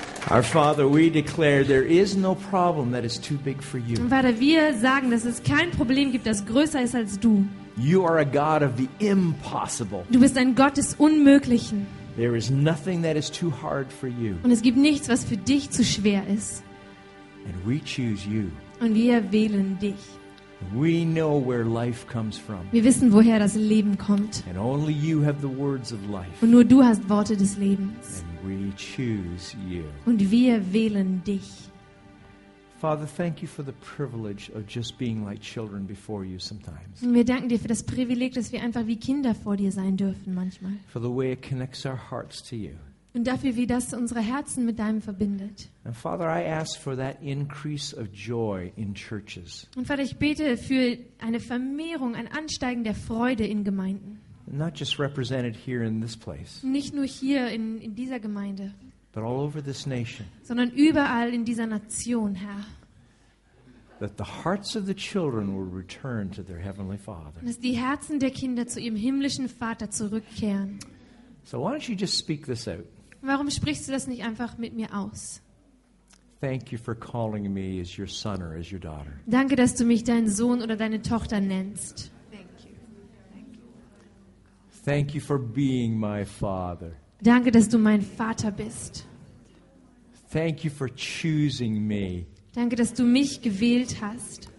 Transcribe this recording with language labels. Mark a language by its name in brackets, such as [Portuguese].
[English] Our Father, we declare there is no problem that is too big for you. [German] Vater, wir sagen, dass es kein Problem gibt, das größer ist als du. [English] You are a God of the impossible. [German] Du bist ein Gott des Unmöglichen. [English] There is nothing that is too hard for you. [German] Und es gibt nichts, was für dich zu schwer ist. [English] And we choose you. [German] Und wir wählen dich. [English] We know where life comes from. [German] Wir wissen, woher das Leben kommt. [English] And only you have the words of life. [German] Und nur du hast Worte des Lebens. [English] And we choose you. [German] Und wir wählen dich. [English] Father, thank you for the privilege of just being like children before you sometimes. [German] Wir danken dir für das Privileg, dass wir einfach wie Kinder vor dir sein dürfen manchmal. [English] For the way it connects our hearts to you. [German] Und dafür, wie das unsere Herzen mit deinem verbindet. [English] And Father, I ask for that increase of joy in churches. [German] Und Vater, ich bete für eine Vermehrung, ein Ansteigen der Freude in Gemeinden. [English] Not just represented here in this place. [German] Nicht nur hier in dieser Gemeinde. [English] But all over this nation. [German] Sondern überall in dieser Nation, Herr. [English] That the hearts of the children will return to their heavenly Father. [German] Dass die Herzen der Kinder zu ihrem himmlischen Vater zurückkehren. [English] So why don't you just speak this out? [German] Warum sprichst du das nicht einfach mit mir aus? [English] Thank you for calling me as your son or as your daughter. [German] Danke, dass du mich deinen Sohn oder deine Tochter nennst. [English] Thank you. Thank you. Thank you for being my father. [German] Danke, dass du mein Vater bist. [English] Thank you for choosing me. [German] Danke, dass du mich gewählt hast.